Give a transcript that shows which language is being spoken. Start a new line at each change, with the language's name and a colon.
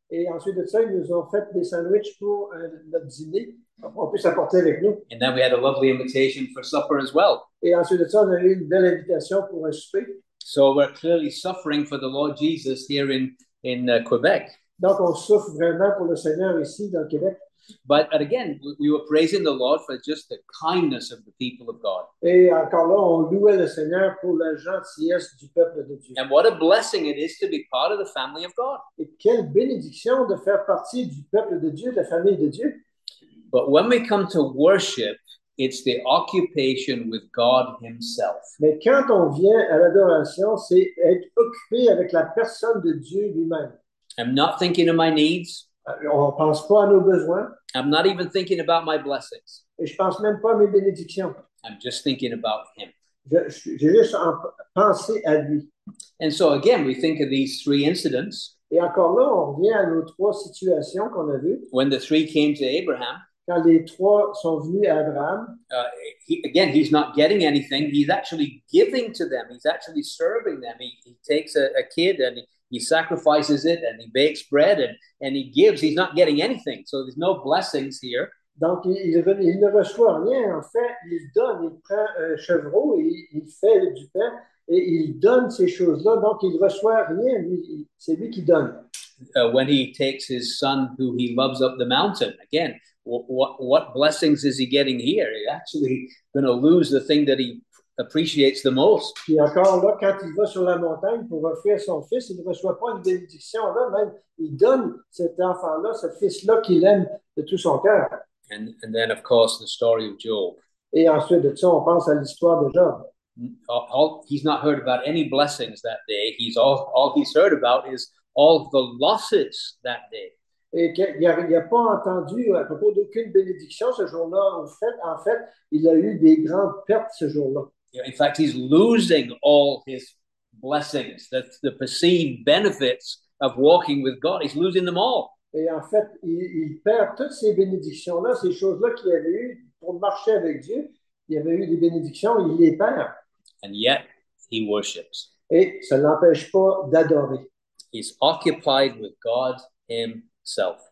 French: Et ensuite de ça, ils nous ont fait des sandwichs pour notre dîner, pour qu'on puisse apporter avec nous.
English: And then we had a lovely invitation for supper as well.
French: Et ensuite de ça, on a eu une belle invitation pour un souper.
English: So we're clearly suffering for the Lord Jesus here in Quebec.
French: Donc on souffre vraiment pour le Seigneur ici dans le Québec.
English: But again, we were praising the Lord for just the kindness of the people of God.
French: Et encore là, on louait le Seigneur pour la gentillesse du peuple de Dieu.
English: And what a blessing it is to be part of the family of God.
French: Et quelle bénédiction de faire partie du peuple de Dieu, de la famille de Dieu.
English: But when we come to worship, it's the occupation with God himself.
French: Mais quand on vient à l'adoration, c'est être occupé avec la personne de Dieu lui-même.
English: I'm not thinking of my needs.
French: On ne pense pas à nos besoins.
English: I'm not even thinking about my blessings.
French: Et je ne pense même pas à mes bénédictions.
English: I'm just thinking about him.
French: Je juste en penser à lui.
English: And so again, we think of these three incidents.
French: Et encore là, on revient à nos trois situations qu'on a vues.
English: When the three came to Abraham.
French: Quand les trois sont venus à Abraham.
English: Again, he's not getting anything. He's actually giving to them. He's actually serving them. He takes a kid and he sacrifices it and he bakes bread and he gives. He's not getting anything. So there's no blessings here.
French: Donc, il ne reçoit rien. En fait, il donne. Il prend un chevreau et il fait du pain et il donne ces choses-là. Donc, il ne reçoit rien. C'est lui qui donne.
English: When he takes his son who he loves up the mountain, again, what blessings is he getting here? He's actually going to lose the thing that he appreciates the most.
French: Puis encore là, quand il va sur la montagne pour offrir son fils, il ne reçoit pas une bénédiction là, même il donne cet enfant-là, ce fils-là qu'il aime de tout son cœur.
English: And then, of course, the story of Job.
French: Et ensuite de ça, on pense à l'histoire de Job.
English: He's not heard about any blessings that day. He's all he's heard about is all the losses that day.
French: Et il n'a pas entendu à propos d'aucune bénédiction ce jour-là. En fait, il a eu des grandes pertes ce jour-là.
English: In fact, he's losing all his blessings, the perceived benefits of walking with God. He's losing them all.
French: Et en fait, il perd toutes ces bénédictions-là, ces choses-là qu'il avait eues pour marcher avec Dieu. Il avait eu des bénédictions, il les perd.
English: And yet, he worships.
French: Et ça ne l'empêche pas d'adorer.
English: He's occupied with God himself.